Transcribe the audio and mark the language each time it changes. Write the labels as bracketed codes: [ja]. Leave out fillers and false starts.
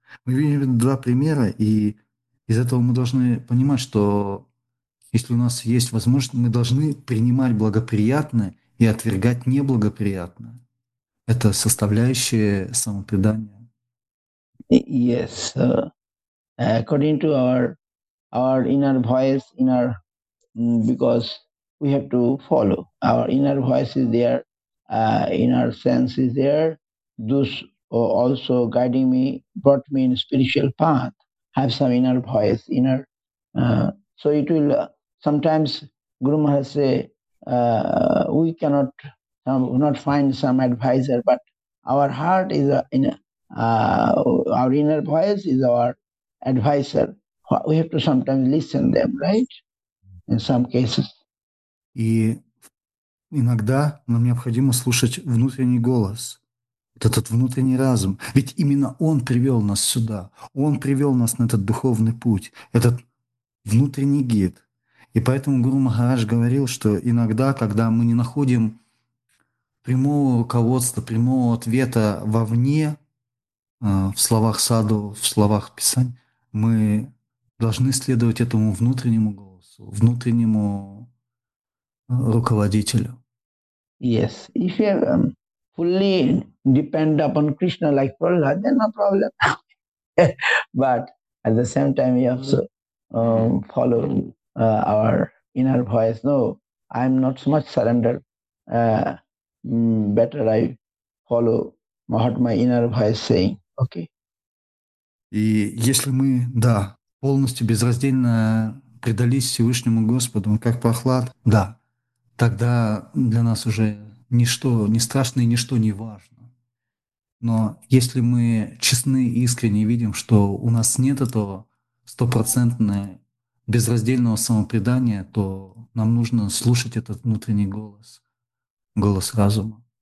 [ru] Мы видим два примера, и из этого мы должны понимать, что если у нас есть возможность, мы должны принимать благоприятное и отвергать неблагоприятное. Это составляющая самопредания. [en] Yes, according to our our inner voice, inner because we have to follow. Our inner voice is there, inner sense is there. Those also guiding me, brought me in spiritual path, have some inner voice, inner. So it will, sometimes Guru Maharaj say, we cannot not find some advisor, but our heart is our inner voice is our advisor. We have to sometimes listen them, right? In some cases. [ru] И иногда нам необходимо слушать внутренний голос, этот внутренний разум. Ведь именно он привел нас сюда, он привел нас на этот духовный путь, этот внутренний гид. И поэтому Гуру Махарадж говорил, что иногда, когда мы не находим прямого руководства, прямого ответа вовне, в словах саду, в словах писания, мы должны следовать этому внутреннему голосу, внутреннему руководителю. [en] Yes, if you fully depend upon Krishna like Prabhupada, then no problem. But at the same time, you also follow our inner voice. No, I'm not so much surrendered. Better I follow what my inner voice saying. Okay. [ru] И если мы, да, полностью безраздельно предались Всевышнему Господу, как Прохлад, да, тогда для нас уже ничто не страшно и ничто не важно. Но если мы честны и искренне видим, что у нас нет этого стопроцентного безраздельного самопредания, то нам нужно слушать этот внутренний голос, голос разума.